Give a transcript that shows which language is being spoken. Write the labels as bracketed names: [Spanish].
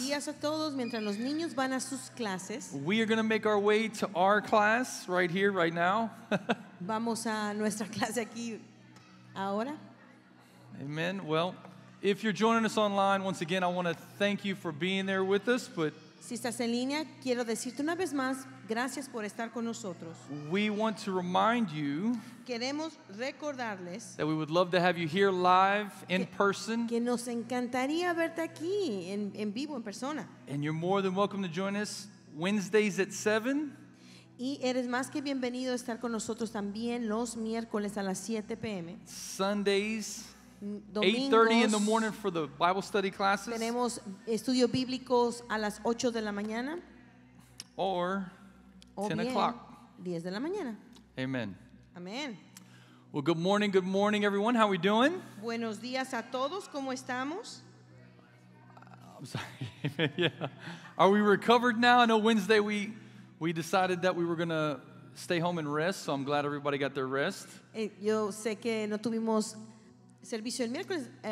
[Spanish] días a todos, mientras los niños van a sus clases, [English] we are going to make our way to our class right here, right now. [Spanish] Vamos a nuestra clase aquí ahora. Amen. [English] Well, if you're joining us online, once again, I want to thank you for being there with us, but [Spanish] si estás en línea, quiero decirte una vez más, gracias por estar con nosotros. [English] We want to remind you, [Spanish] queremos recordarles, [English] that we would love to have you here live in person. [Spanish] Que nos encantaría verte aquí en vivo, en persona. [English] And you're more than welcome to join us Wednesdays at 7. [Spanish] Y eres más que bienvenido a estar con nosotros también los miércoles a las 7 p.m. [English] Sundays, 8:30 in the morning for the Bible study classes. [Spanish] Tenemos estudios bíblicos a las 8 de la mañana. [English] Or 10 o'clock. [Spanish] 10 de la mañana. Amen. Amen. [English] Well, good morning, everyone. How are we doing? [Spanish] Buenos días a todos. ¿Cómo estamos? [English] I'm sorry. Yeah. Are we recovered now? I know Wednesday we decided that we were going to stay home and rest, so I'm glad everybody got their rest. [Spanish] Yo sé que no tuvimos servicio el miércoles.